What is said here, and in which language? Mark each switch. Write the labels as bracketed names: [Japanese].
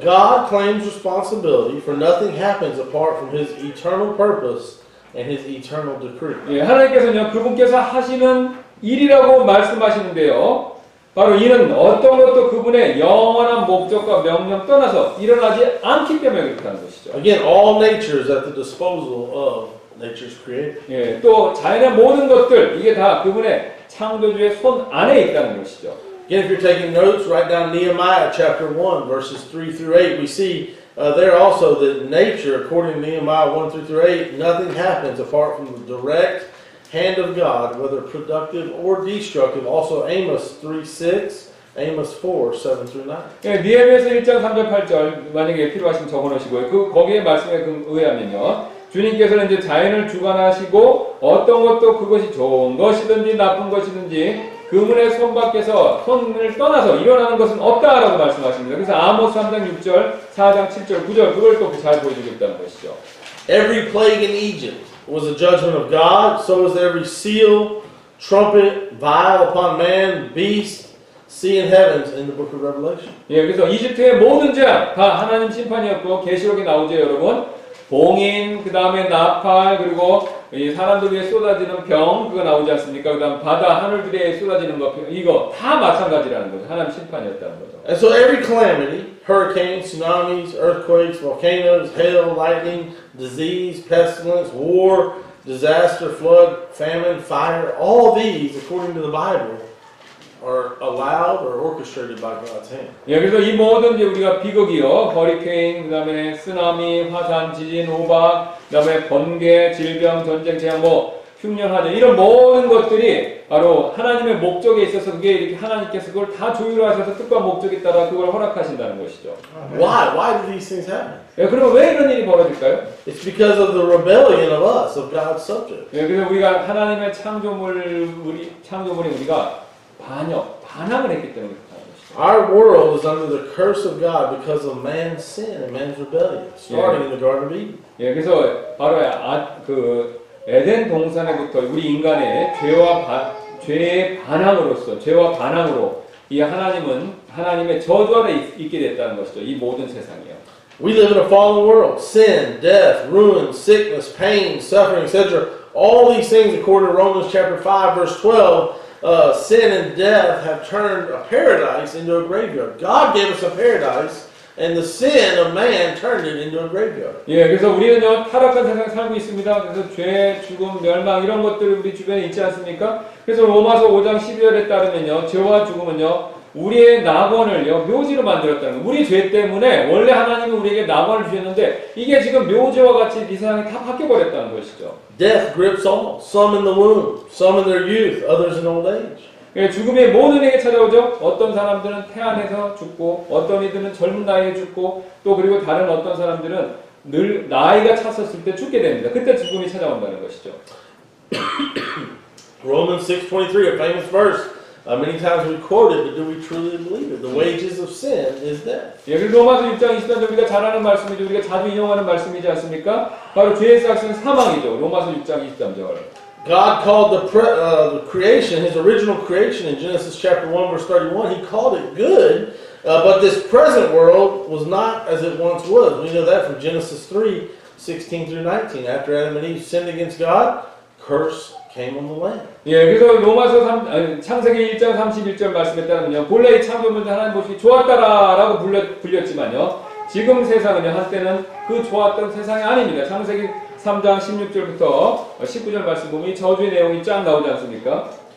[English] God claims responsibility for nothing happens apart from His eternal purpose and His eternal decree. [Korean] 예, 하나님께서는요 그분께서 하시는 일이라고 말씀하시는데요. 바로 이는 어떤 것도 그분의 영원한 목적과 명령 떠나서 일어나지 않기 때문에 그렇다는 것이죠. [English] Again, all nature is at the disposal of nature's creator. [Korean] 예, 또 자연의 모든 것들 이게 다 그분의 창조주의 손 안에 있다는 것이죠. [English] Again, if you're taking notes, write down Nehemiah chapter 1, verses 3 through 8. We see there also that nature, according to Nehemiah 1 through 8, nothing happens apart from the direct hand of God, whether productive or destructive. Also Amos 3, 6, Amos 4, 7 through 9. [Korean] 네, 니에미아서 1장 3절 8절, 만약에 필요하시면 적어놓으시고요. 그 거기에 말씀에 의하면요. 주님께서는 이제 자연을 주관하시고 어떤 것도 그것이 좋은 것이든지 나쁜 것이든지 그분의 손밖에서 손을 떠나서 일어나는 것은 없다라고 말씀하십니다. 그래서 아모스 3장 6절, 4장 7절, 9절 그걸 또 잘 보여주겠다는 것이죠. [English] Every plague in Egypt was a judgment of God. So was every seal, trumpet, vial upon man, beast, sea and heavens in the book of Revelation. [Korean] 예, 그래서 이집트의 모든 재앙 다 하나님 심판이었고 계시록에 나오죠, 여러분. 봉인, 그 다음에 나팔, 그리고 이 사람들 위에 쏟아지는 병 그거 나오지 않습니까? 그다음 바다 하늘 위에 쏟아지는 거 이거 다 마찬가지라는 거죠. 하나님 심판이었다는 거죠. [English] And so every calamity, hurricanes, tsunamis, earthquakes, volcanoes, hail, lightning, disease, pestilence, war, disaster, flood, famine, fire, all these according to the Bible are allowed or orchestrated by God's hand. [Korean] 예, 그래서 이 모든 게 우리가 비극이요, 허리케인, 그다음에 쓰나미, 화산, 지진, 호박, 그다음에 번개, 질병, 전쟁, 재앙, 뭐 흉년, 화재 이런 모든 것들이 바로 하나님의 목적에 있어서 그게 이렇게 하나님께서 그걸 다 조율하셔서 뜻과 목적에 따라 그걸 허락하신다는 것이죠. [English] Why? Why do these things happen? [Korean] 예, 그러면 왜 이런 일이 벌어질까요? [English] It's because of the rebellion of us, of God's subjects. [Korean] 예, 그래서 우리가 하나님의 창조물이 우리가 반역, 반항을 했기 때문에 [English] Our world is under the curse of God because of man's sin and man's rebellion, starting in the Garden of Eden. [Korean] 예, 그래서 바로 그 에덴 동산에부터 우리 인간의 죄와 반항으로 이 하나님은 하나님의 저주 아래 있게 됐다는 것이죠. 이 모든 세상이요. [English] We live in a fallen world. Sin, death, ruin, sickness, pain, suffering, etc. All these things, according to Romans chapter 5, verse 12, sin and death have turned a paradise into a graveyard. God gave us a paradise, and the sin of man turned it into a graveyard. [Korean] 예, 그래서 우리는요 타락한 세상 살고 있습니다. 그래서 죄, 죽음, 멸망 이런 것들 우리 주변에 있지 않습니까? 그래서 로마서 5장 12절에 따르면요 죄와 죽음은요 우리의 낙원을요 묘지로 만들었다는 거예요. 우리 죄 때문에 원래 하나님은 우리에게 낙원을 주셨는데 이게 지금 묘지와 같이 이 세상이 다 바뀌어 버렸다는 것이죠. [English] Death grips all. Some in the womb, some in their youth, others in old age. [Korean] 예, 죽음이 모든에게 찾아오죠. 어떤 사람들은 태안에서 죽고, 어떤 이들은 젊은 나이에 죽고, 또 그리고 다른 어떤 사람들은 늘 나이가 찼었을 때 죽게 됩니다. 그때 죽음이 찾아온다는 것이죠. [English] Romans 6:23, a famous verse. Many times we quoted, but do we truly believe it? The wages of sin is death. [Korean] 예, 로마서 6장 23절 우리가 잘 아는 말씀이죠. 우리가 자주 인용하는 말씀이지 않습니까? 바로 죄의 삯은 사망이죠. 로마서 6장 23절. [English] God called the creation, His original creation in Genesis chapter 1 verse 31, He called it good, but this present world was not as it once was. We know that from Genesis 3:16 through 19. After Adam and Eve sinned against God, curse came on the land. [Korean] 예, 그래서 로마서 창세기 1장 31절 말씀에 따르면요, 본래의 창조물도 하나님 보시기 좋았다라고 불렸지만요, 지금 세상은요, 한때는 그 좋았던 세상이 아닙니다. 창세기 3장 16절부터 19절 말씀 보면 저주의 내용이 쫙 나오지 않습니까?